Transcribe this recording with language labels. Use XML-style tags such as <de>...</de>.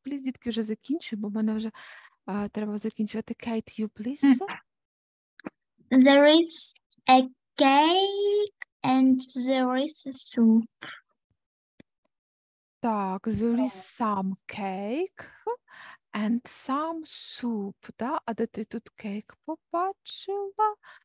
<en>Please,</en> <uk>дітки, вже закінчуй, бо мене вже треба закінчувати.</uk> <en>Кейт, you please. There is a cake and there is a soup.</en> <uk>Так,</uk> <en>there is some cake and some soup.</en> <uk>Да? А де ти тут кейк побачила?</uk>